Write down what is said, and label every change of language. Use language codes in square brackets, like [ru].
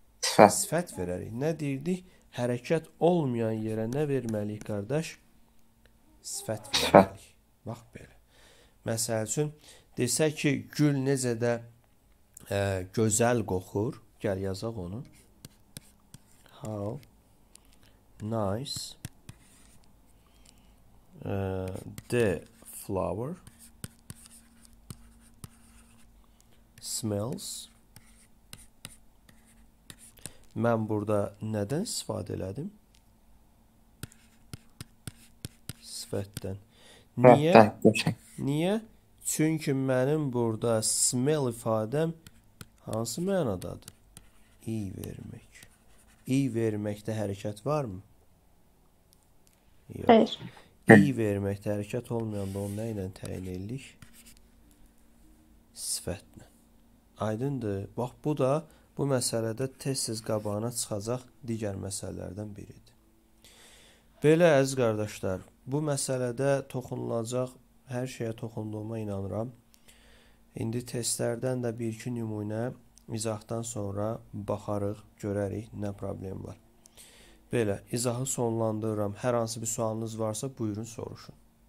[az] Sifət verərik. Nə deyirdik? Hərəkət olmayan yerə nə verməliyik, qardaş? Sifət verməliyik. Bax belə. Məsəl üçün, desək ki, gül necə də gözəl qoxur. Gəl yazaq onu. [en] How nice the flower smells. [az] Mən burada nədən istifadə elədim? Sifətdən. Niyə? Niyə? Çünki mənim burada smell ifadəm hansı mənadadır? İyi vermək. İyi verməkdə hərəkət var mı? Yox. [tr] Hayır. [az] İyi verməkdə hərəkət olmayanda onu nə ilə təyin edirik? Sifətlə. Aydındır. Bax, Bu məsələdə tez-tez qabağına çıxacaq digər məsələlərdən biridir. Belə əziz qardaşlar, bu məsələdə toxunulacaq hər şeyə toxunduğuma inanıram. İndi testlərdən də bir iki nümunə izahdan sonra baxarıq, görərik nə problem var. Belə, izahı sonlandırıram. Hər hansı bir sualınız varsa buyurun soruşun.